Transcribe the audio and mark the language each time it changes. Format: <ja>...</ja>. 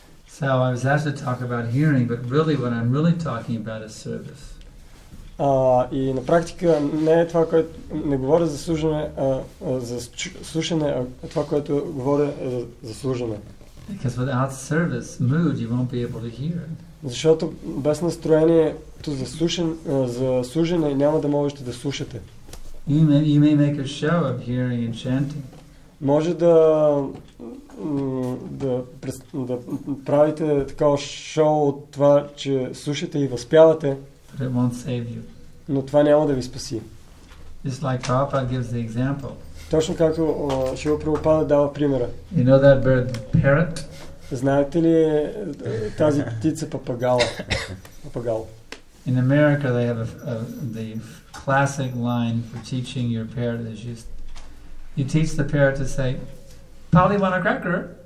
<en>So I was asked to talk about hearing, but really what I'm really talking about is service.</en> <bg>И на практика не е това, което не говоря за служене, за слушане, а това, което говоря е за служене.</bg> <en>Because without service mood you won't be able to hear.</en> <bg>Защото без настроението за служене няма да можете да слушате.</bg> <en>You may make a show of hearing and chanting.</en> <bg>може да, да правите такова шоу от това, че слушате и възпявате,</bg> <en>it won't save you.</en> <bg>Но това няма да ви спаси.</bg> <en>Just like Prabhupada gives the example.</en> <bg>Точно както Шрила Прабхупада дава примера.</bg> <en>You know that bird, parrot?</en> <bg>Знаете ли тази птица папагала? Папагал.</bg> <en>In America they have the classic line for teaching your parrot is just you teach the parrot to say Polly want a cracker.</en>